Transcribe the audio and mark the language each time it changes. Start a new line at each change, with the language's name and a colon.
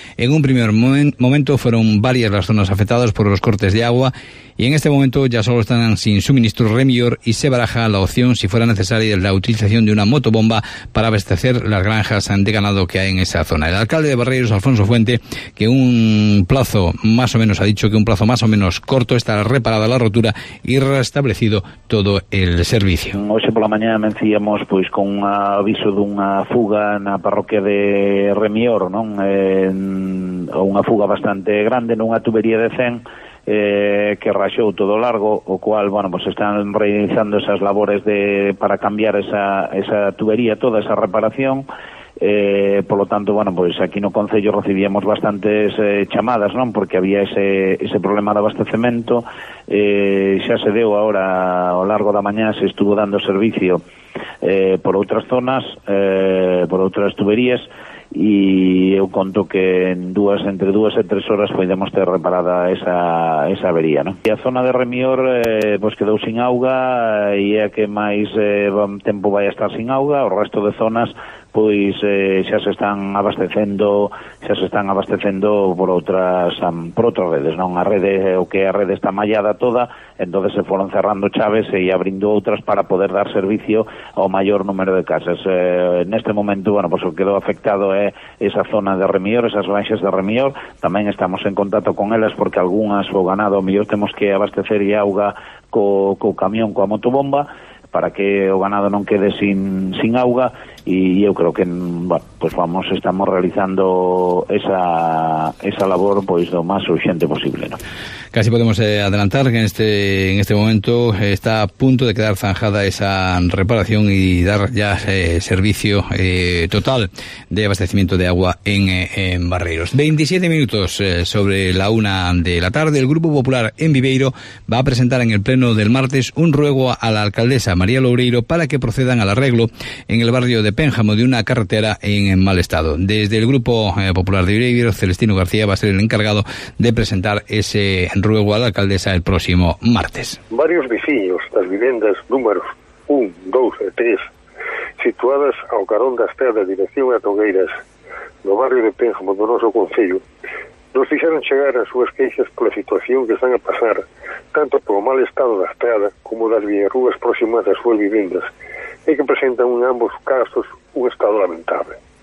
Spanish: En un primer momento fueron varias las zonas afectadas por los cortes de agua y en este momento ya solo están sin suministro Remior y se baraja la opción, si fuera necesaria, la utilización de una motobomba para abastecer las granjas de ganado que hay en esa zona. El alcalde de Barreiros, Alfonso Fuente, que un plazo más o menos ha dicho que un plazo más o menos corto estará reparada la rotura y restablecido todo el servicio.
Galician: Hoxe pola mañá mencíamos pois con un aviso dunha fuga na parroquia de Remior, non? Unha fuga bastante grande nunha tubería de Cen que raxou todo o largo, o cual, bueno, pois están realizando esas labores de para cambiar esa tubería, toda esa reparación. Polo tanto, bueno, pois aquí no concello recibíamos bastantes chamadas, non? Porque había ese problema de abastecemento. Xa se deu agora ao largo da mañá, se estuvo dando servicio por outras zonas, por outras tuberías, e eu conto que entre dúas e tres horas podemos ter reparada esa avería, non? E a zona de Remior pois quedou sin auga e é a que máis tempo vai a estar sin auga. O resto de zonas pois xa se están abastecendo por outras redes, non? A rede, o que a rede está mallada toda, entonces se foron cerrando chaves e abrindo outras para poder dar servicio ao maior número de casas. Neste momento, bueno, pois o que quedou afectado é esa zona de Remior, esas baixas de Remior. Tamén estamos en contacto con elas porque algunhas o ganado mellor temos que abastecer e auga co camión, coa motobomba, para que o ganado non quede sin auga, e eu creo que, bueno,
Spanish: pues vamos, estamos realizando esa labor
Galician: pois do máis urgente posible, ¿no?
Spanish: Casi podemos adelantar que en este momento está a punto de quedar zanjada esa reparación y dar ya servicio total de abastecimiento de agua en Barreiros. 27 minutos sobre la una de la tarde, el Grupo Popular en Viveiro va a presentar en el pleno del martes un ruego a la alcaldesa María Loureiro para que procedan al arreglo en el barrio de Pénjamo de una carretera en mal estado. Desde el Grupo Popular de Viveiro, Celestino García va a ser el encargado de presentar ese ruego a la alcaldesa el próximo martes.
Galician: Varios veciños das vivendas números 1, 2 e 3 situadas ao carón da estrada dirección a Togueiras no barrio de Pénjamo do noso concello nos fixeron chegar as súas queixas pola situación que están a pasar tanto polo mal estado da estrada como das viarrúas próximas das súas vivendas e que presentan en ambos casos un estado lamentable.